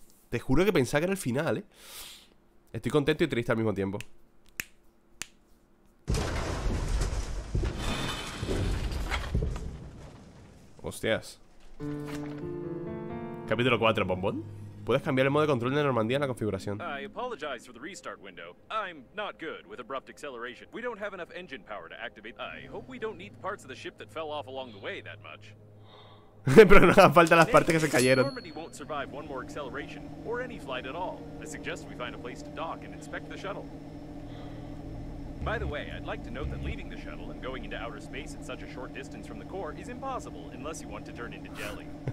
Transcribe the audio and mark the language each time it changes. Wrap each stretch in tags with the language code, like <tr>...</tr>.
<es>Te juro que pensaba que era el final, ¿eh? Estoy contento y triste al mismo tiempo. Hostias. Capítulo 4, bombón. Puedes cambiar el modo de control de Normandía en la configuración.</es> <en>I apologize for the restart window. I'm not good with abrupt acceleration. We don't have enough engine power to activate. I hope we don't need parts of the ship that fell off along the way that much.</en> <es>Pero no hagan falta las partes que se cayeron.</es> <en>Normandy won't survive one more acceleration or any flight at all. I suggest we find a place to dock and inspect the shuttle. By the way, I'd like to note that leaving the shuttle and going into outer space at such a short distance from the core is impossible unless you want to turn into jelly.</en>